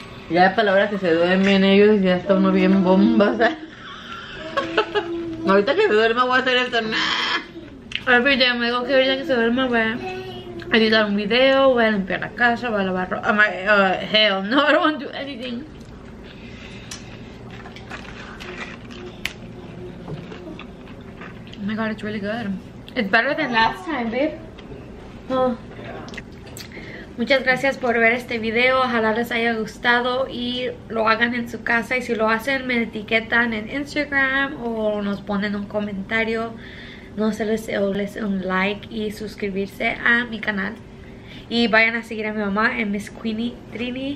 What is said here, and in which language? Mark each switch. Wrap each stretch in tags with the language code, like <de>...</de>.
<es>Ya para la hora que se duermen ellos ya está uno bien bomba. Ahorita que se duerma voy a hacer esto. Ahorita me digo que ahorita que se duerma voy a editar un video, voy a limpiar la casa, voy a lavar ropa.</es> <en>Hell no, I don't want to do anything. Oh my god, it's really good. It's better than last time, babe.</en> <es>Oh. Muchas gracias por ver este video. Ojalá les haya gustado y lo hagan en su casa. Y si lo hacen, me etiquetan en Instagram o nos ponen un comentario. No se les olvide un like y suscribirse a mi canal. Y vayan a seguir a mi mamá en Miss Queenie Trini.</es>